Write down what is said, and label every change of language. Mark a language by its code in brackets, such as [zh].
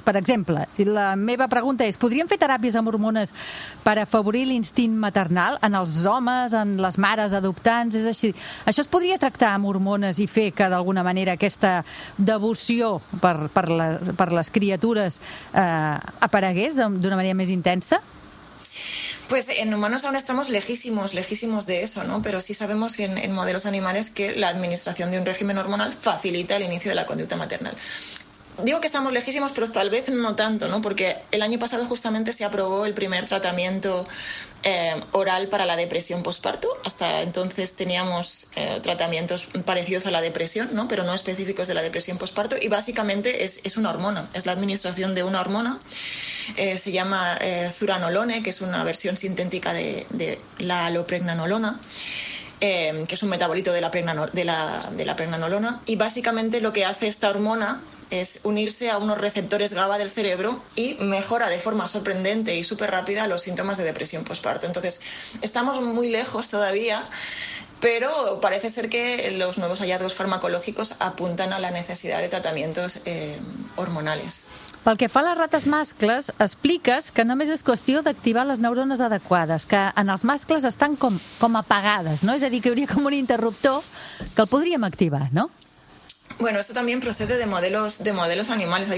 [ca] Per exemple, la meva pregunta és, podríem fer teràpies amb hormones per afavorir l'instint maternal en els homes, en les mares adoptants? És així. Això es podria tractar amb hormones i fer que, d'alguna manera, aquesta devoció per les criatures aparegués d'una manera més intensa? [es] Pues en humanos aún estamos lejísimos, lejísimos de eso, ¿no? Pero sí sabemos que en modelos animales que la administración de un régimen hormonal facilita el inicio de la conducta maternal. Digo que estamos lejísimos, pero tal vez no tanto, ¿no? Porque el año pasado justamente se aprobó el primer tratamiento oral para la depresión postparto. Hasta entonces teníamos tratamientos parecidos a la depresión, ¿no? Pero no específicos de la depresión postparto. Y básicamente es una hormona, es la administración de una hormona. Se llama zuranolone, que es una versión sintética de la alopregnanolona. Que es un metabolito de la pregnanolona. Y básicamente lo que hace esta hormona es unirse a unos receptores GABA del cerebro y mejora de forma sorprendente y súper rápida los síntomas de depresión postparto. Entonces, estamos muy lejos todavía, pero parece ser que los nuevos hallazgos farmacológicos apuntan a la necesidad de tratamientos hormonales. [ca] Pel que fa a les rates mascles, expliques que només és qüestió d'activar les neurones adequades, que en els mascles estan com apagades, no? És a dir, que hi hauria com un interruptor que el podríem activar, no? [es] Bueno, esto también procede de modelos animales.